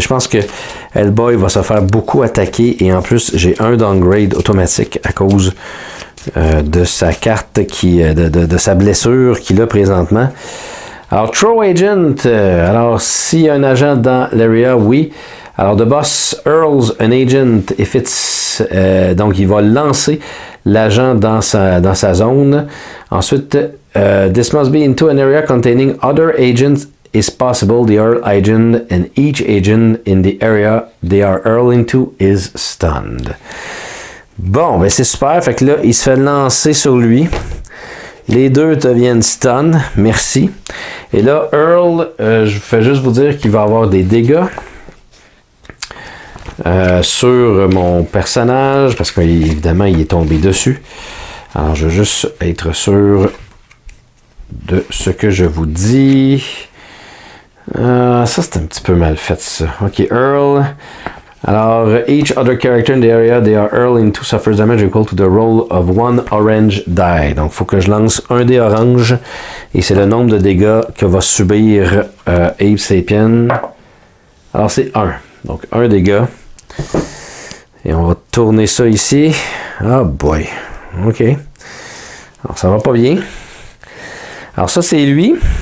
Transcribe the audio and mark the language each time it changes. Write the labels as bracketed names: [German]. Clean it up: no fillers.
[French] Je pense que Hellboy va se faire beaucoup attaquer. Et en plus, j'ai un downgrade automatique à cause de sa carte, de sa blessure qu'il a présentement. Alors, Throw Agent. Alors, s'il y a un agent dans l'area, oui. [English] Alors, The Boss hurls an agent if it's... [French] donc, il va lancer l'agent dans sa zone. [English] Ensuite, this must be into an area containing other agents is possible. The hurl agent and each agent in the area they are hurling to is stunned. [French] Bon, ben c'est super. Fait que là, il se fait lancer sur lui. Les deux deviennent stun. Merci. Et là, Earl, je fais juste vous dire qu'il va avoir des dégâts. Sur mon personnage, parce qu'évidemment il est tombé dessus. Alors je veux juste être sûr de ce que je vous dis. Ça c'est un petit peu mal fait ça. Ok, Earl. [English] Alors, each other character in the area they are Earl into suffers damage equal to the roll of one orange die. [French] Donc il faut que je lance un dé orange et c'est le nombre de dégâts que va subir Abe Sapien. Alors c'est 1. Donc, un dégât. Et on va tourner ça ici. [English] Oh boy. [French] OK. Alors, ça va pas bien. Alors, ça, c'est lui.